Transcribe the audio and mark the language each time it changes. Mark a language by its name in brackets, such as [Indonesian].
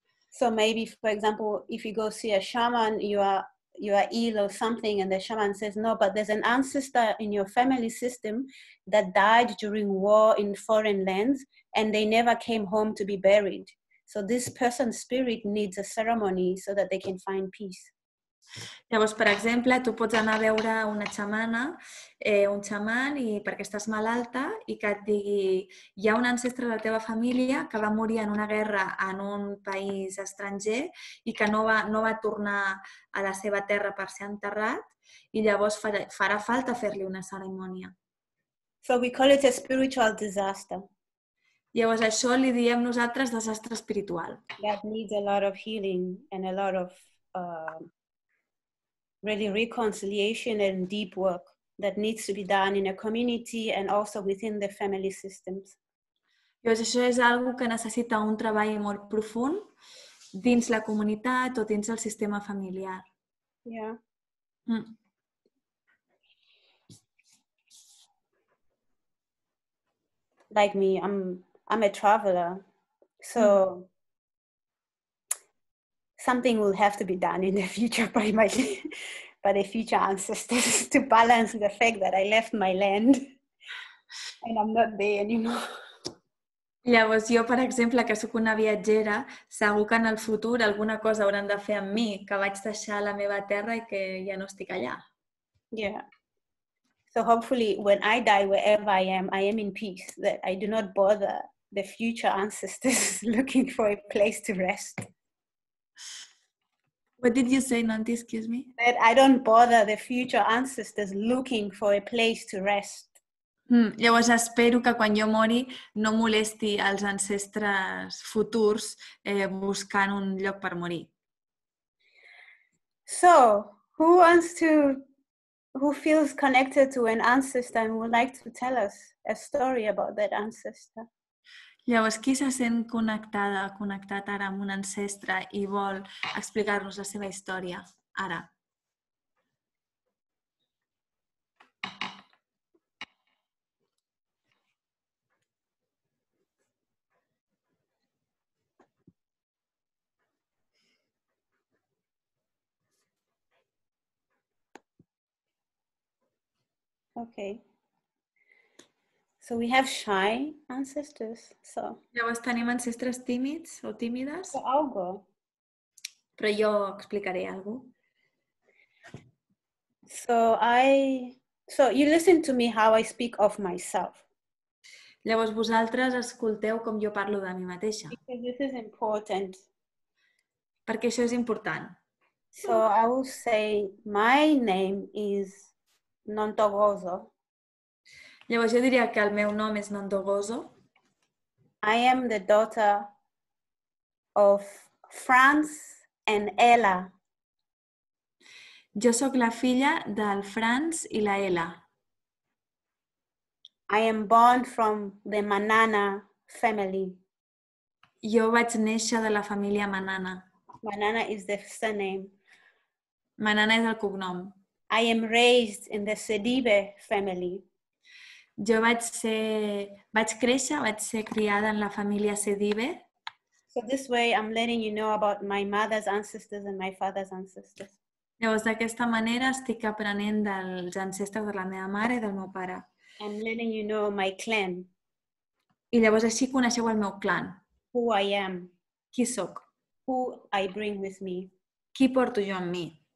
[English] So maybe, for example, if you go see a shaman, you are ill or something, and the shaman says, no, but there's an ancestor in your family system that died during war in foreign lands, and they never came home to be buried. So this person's spirit needs a ceremony so that they can find peace. [Catalan] Llavors, per exemple, tu pots anar a veure una xamana, un xaman, i perquè estàs malalta, i que et digui, hi ha un ancestre de la teva família que va morir en una guerra en un país estranger i que no va tornar a la seva terra per ser enterrat, i llavors farà falta fer-li una cerimònia. [English] So we call it a spiritual disaster. [Catalan] Llavors, això li diem nosaltres desastre espiritual. [English] That needs a lot of healing and a lot of really reconciliation and deep work that needs to be done in a community and also within the family systems. [Catalan] Llavors, això és algo que necessita un treball molt profund dins la comunitat o dins el sistema familiar. [English] Yeah. Like me, I'm a traveler. So something will have to be done in the future by the future ancestors to balance the fact that I left my land and I'm not there anymore. [Catalan] Llavors, jo, per exemple, que sóc una viatgera, segur que en el futur alguna cosa hauran de fer amb mi, que vaig deixar la meva terra i que ja no estic allà. [English] Yeah. So hopefully when I die, wherever I am in peace, that I do not bother the future ancestors looking for a place to rest. What did you say, Nonty? Excuse me? That I don't bother the future ancestors looking for a place to rest. [Catalan] Llavors espero que quan jo mori no molesti els ancestres futurs buscant un lloc per morir. [English] So, who feels connected to an ancestor and would like to tell us a story about that ancestor? [Catalan] Llavors, qui se sent connectat ara amb un ancestre i vol explicar-nos la seva història, ara? [English] Okay. So we have shy ancestors. So. [Catalan] Llavors tenim ancestres tímids o tímides. [English] So I'll go. [Catalan] Però jo explicaré algo. [English] So you listen to me how I speak of myself. [Catalan] Llavors vosaltres escolteu com jo parlo de mi mateixa. [English] Because this is important. [Catalan] Perquè això és important. [English] So I will say my name is Nontogoso. [Catalan] Llavors jo diria que el meu nom és Nontogoso. [English] I am the daughter of France and Ella. [Catalan] Jo sóc la filla del France i la Ella. [English] I am born from the Manana family. [Catalan] Jo vaig néixer de la família Manana. [English] Manana is the surname. [Catalan] Manana és el cognom. [English] I am raised in the Sedibe family. [Catalan] Jo vaig ser criada en la família Sedibe. [English] So this way I'm letting you know about my mother's ancestors and my father's ancestors. [Catalan] Llavors, d'aquesta manera estic aprenent dels ancestres de la meva mare i del meu pare. [English] I'm letting you know my clan. [Catalan] I llavors així coneixeu el meu clan. [English] Who I am. [Catalan] Qui sóc. [English] Who I bring with me. [Catalan] Qui porto jo amb mi.